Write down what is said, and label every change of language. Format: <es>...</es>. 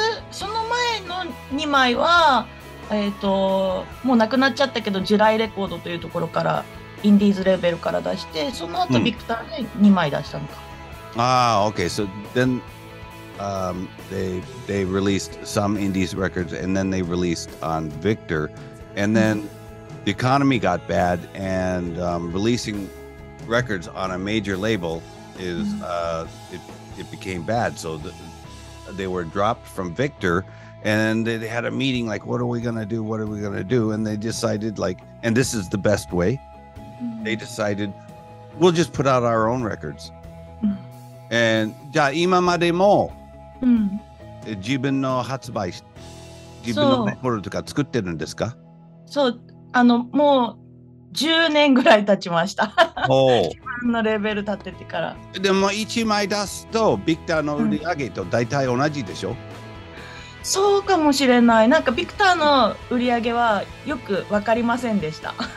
<ja>その前の2枚は、もうなくなっちゃったけど、ジュライレコードというところから、インディーズレベルから出して、その後、Victor で2枚出したのか。</ja> <en>Okay, so then... they released some indies records, and then they released on Victor, and then the economy got bad, and releasing records on a major label is it became bad, so they were dropped from Victor, and they had a meeting like, what are we gonna do, what are we gonna do, and they decided like, and this is the best way, they decided we'll just put out our own records,</en> <ja>and じゃあ今までも自分の発売し自分のレコードとか作ってるんですか？そう、もう10年ぐらい経ちました。自分のレベル立ててから。でも1枚出すとビクターの売り上げと大体同じでしょ？そうかもしれない。なんかビクターの売り上げはよく分かりませんでした。</ja>